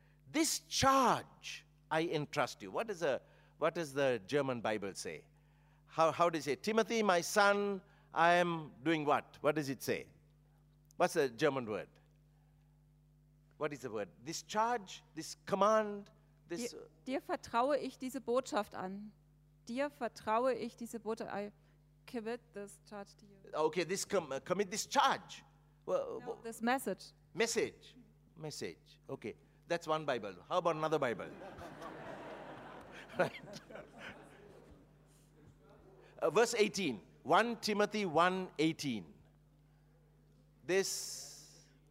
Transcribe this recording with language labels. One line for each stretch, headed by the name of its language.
English: This charge I entrust you. What does the German Bible say? How does it say? Timothy, my son, I am doing what? What does it say? What's the German word? What is the word? This charge, this command, this...
German: Dir vertraue ich diese Botschaft an. Dir vertraue ich diese Botschaft.
English: I commit this charge to you. Okay, this commit this charge. No, this message. Message. Okay, that's one Bible. How about another Bible? Right. Verse 18. 1 Timothy 1:18. This.